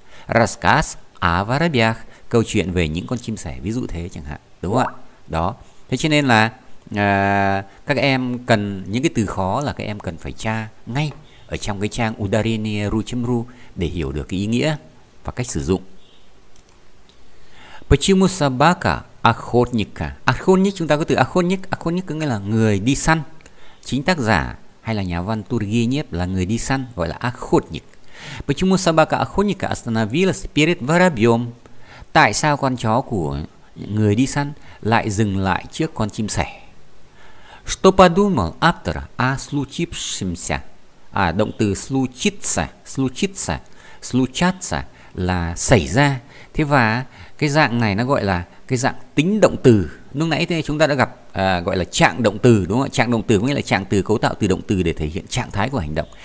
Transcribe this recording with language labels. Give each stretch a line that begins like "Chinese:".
Russian: Рассказ о воробьях,
Vietnamese: câu chuyện về những con chim sẻ, ví dụ thế chẳng hạn, đúng không ạ? Đó. Thế cho nên là các em cần những cái từ khó là các em cần phải tra ngay ở trong cái trang udarieniru.ru để hiểu được cái ý nghĩa và cách sử dụng.
Russian: Почему собака охотника?
Vietnamese: Охотник, chúng ta có từ охотник. Охотник có nghĩa là người đi săn. Chính tác giả hay là nhà văn Turgenev là người đi săn, gọi là охотник.
Russian: Почему собака охотника остановилась перед воробьем?
Vietnamese: Tại sao con chó của người đi săn lại dừng lại trước con chim sẻ?
Russian: Что подумал автор о случившемся?
Vietnamese: Động từ случиться là xảy ra. Thế và cái dạng này nó gọi là cái dạng tính động từ. Lúc nãy thì chúng ta đã gặp gọi là trạng động từ, đúng không ạ? Trạng động từ có nghĩa là trạng từ cấu tạo từ động từ để thể hiện trạng thái của hành động.